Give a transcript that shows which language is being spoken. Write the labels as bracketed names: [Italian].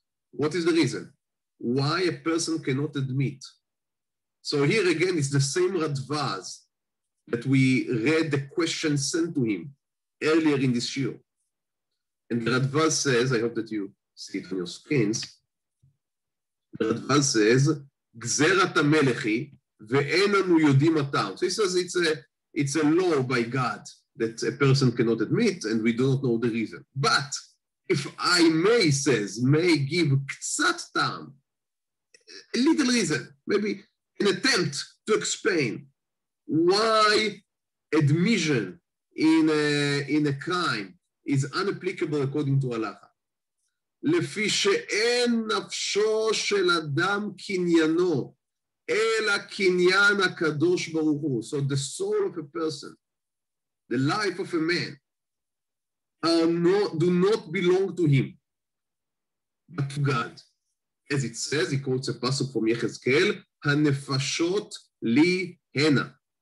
[English] What is the reason why a person cannot admit? So here again, it's the same Radvaz that we read the question sent to him earlier in this year. And the Radvaz says, I hope that you see it on your screens. The Radvaz says, Gzerat HaMelechi, [Hebrew] ואין לנו יודעים אותם. [English] So he says it's a law by God that a person cannot admit, and we do not know the reason. But if I may, says, may give [Hebrew] קצת טעם, [English] a little reason, maybe an attempt to explain why admission in a crime is unapplicable according to Halacha. [Hebrew] לפי שאין נפשו של אדם קניינו, אלא קניין הקדוש ברוך הוא. [English] So the soul of a person, the life of a man, do not belong to him. but to God. As it says, he quotes a pasuk from Yechezkel, [Hebrew] Hanefashot li hena.